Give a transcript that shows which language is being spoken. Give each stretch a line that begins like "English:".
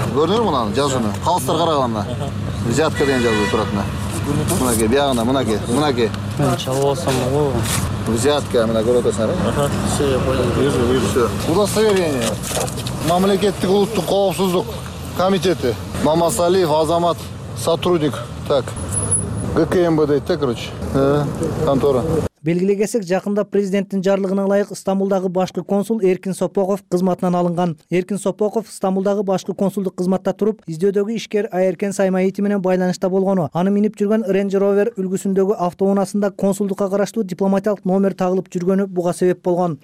Kyrgyz: Көрүнөрбү мынаны жазууну? Калыстар караганда. Взятка деген жазуу турат мына. Мынакей, биягында, мынакей, мынакей. Мен чалып алсам го. Взятка мына көрүп атасыңарбы?
Russian: Все, я понял. Все. Удостоверение.
Kyrgyz: Мамлекеттик улуттук коопсуздук комитети.
Russian: Мамасалиев Азамат сотрудник. Так. ГКМБД
Kyrgyz: дейт да,
Russian: короче. Контора.
Kyrgyz: Белгилей кесек, жакында президенттин жарлыгына ылайык Стамбулдагы башкы консул Эркин Сопоков кызматынан алынган. Эркин Сопоков Стамбулдагы башкы консулдук кызматта туруп, издөөдөгү ишкер Айэркен Саймаити менен байланышта болгону, аны минип жүргөн Range Rover үлгүсүндөгү автоунаасында консулдукка караштуу дипломатиялык номер тагылып жүргөнү буга себеп болгон.